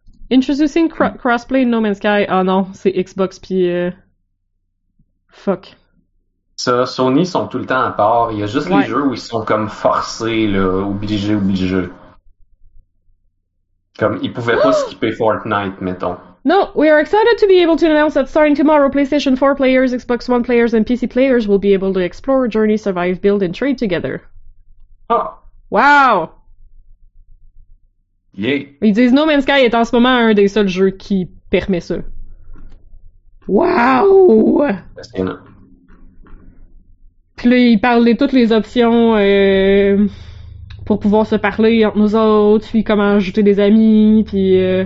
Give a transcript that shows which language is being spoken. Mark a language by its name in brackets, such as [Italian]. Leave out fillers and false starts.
[English] Introducing Crossplay [French] No Man's Sky. Ah oh non, c'est Xbox, puis... Fuck. Ça, Sony sont tout le temps à part. Il y a juste ouais. Les jeux où ils sont comme forcés, là, obligés. Comme, ils pouvaient pas skipper Fortnite, mettons. [English] No, we are excited to be able to announce that starting tomorrow, PlayStation 4 players, Xbox One players, and PC players will be able to explore, journey, survive, build, and trade together. Oh! Wow! Yay! [French] Ils disent No Man's Sky est en ce moment un des seuls jeux qui permet ça. Wow! Puis là, ils parlent de toutes les options pour pouvoir se parler entre nous autres, puis comment ajouter des amis, puis...